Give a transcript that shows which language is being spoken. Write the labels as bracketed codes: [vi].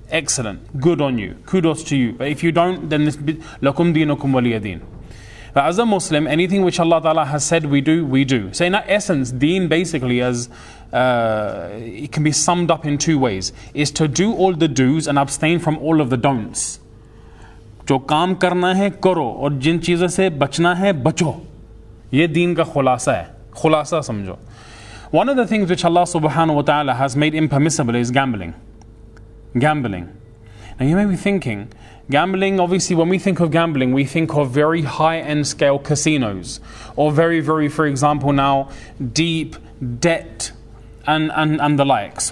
[en] Excellent, good on you, kudos to you. But if you don't, then this be [ar] lakum dinukum waliyadin. [en] But as a Muslim, anything which Allah Ta'ala has said we do, we do. So in that essence, deen basically as it can be summed up in two ways, is to do all the do's and abstain from all of the don'ts. [ur] جو کام کرنا ہے کرو اور جن چیزوں سے بچنا ہے بچو۔ یہ دین کا خلاصہ ہے، خلاصہ سمجھو۔ [en] One of the things which Allah Subhanahu wa Ta'ala has made impermissible is gambling. Gambling. Now you may be thinking, gambling, obviously when we think of gambling, we think of very high-end scale casinos, or very, very, for example now, deep debt and the likes.